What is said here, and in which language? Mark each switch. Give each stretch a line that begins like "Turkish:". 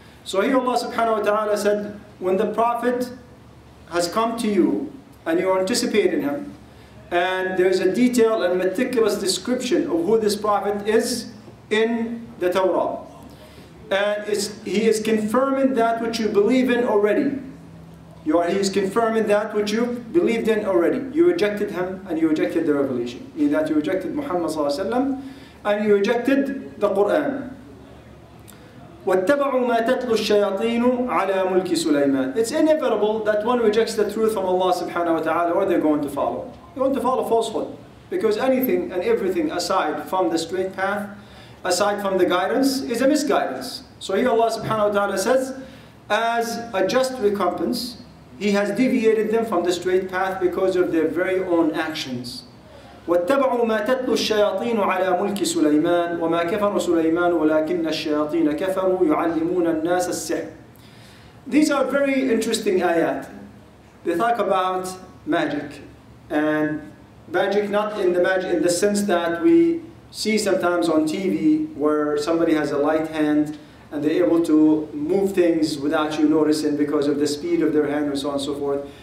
English: So here Allah subhanahu wa ta'ala said, when the Prophet has come to you and you are anticipating him, and there is a detailed and meticulous description of who this prophet is in the Torah, and he is confirming that which you believe in already. He is confirming that which you believed in already. You rejected him and you rejected the revelation. In that you rejected Muhammad sallallahu alaihi wasallam, and you rejected the Quran.
Arabic: واتبعوا ما تتلو الشياطين على ملك سليمان.
English: It's inevitable that one rejects the truth from Allah subhanahu wa ta'ala, what they're going to follow. They're going to follow falsehood. Because anything and everything aside from the straight path, aside from the guidance, is a misguidance. So here Allah subhanahu wa ta'ala says, as a just recompense, he has deviated them from the straight path because of their very own actions.
Arabic: واتبعوا ما تتلو الشياطين على ملك سليمان وما كفر سليمان ولكن الشياطين كفروا يعلمون الناس السحر.
English: These are very interesting ayat. They talk about magic, and magic not in the magic in the sense that we see sometimes on TV where somebody has a light hand and they're able to move things without you noticing because of the speed of their hand and so on and so forth.